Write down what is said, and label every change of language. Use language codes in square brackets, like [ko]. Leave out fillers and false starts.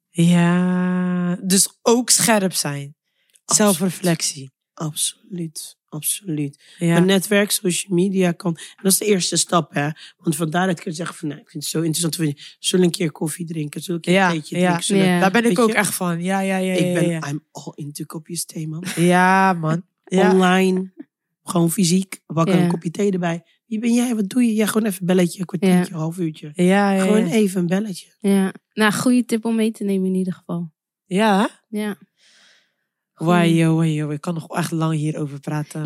[nl] Ja. Dus ook scherp zijn. Zelfreflectie. Absoluut. Ja. Een netwerk, social media kan. En dat is de eerste stap, hè? Want vandaar dat ik kan zeggen: van, nou, ik vind het zo interessant. Zullen een keer koffie drinken? Zullen een keer een theetje drinken? Ja. Daar ben ik ook echt van. [en] I'm all into kopjes thee, man. [nl] Ja, man. Ja. Online, gewoon fysiek. Bakken een kopje thee erbij. Wie ben jij? Wat doe je? Ja, gewoon even een belletje, een kwartiertje, half uurtje. Ja, gewoon even een belletje. Ja. Nou, goede tip om mee te nemen, in ieder geval. Ja? Ja. Wow, ik kan nog echt lang hierover praten.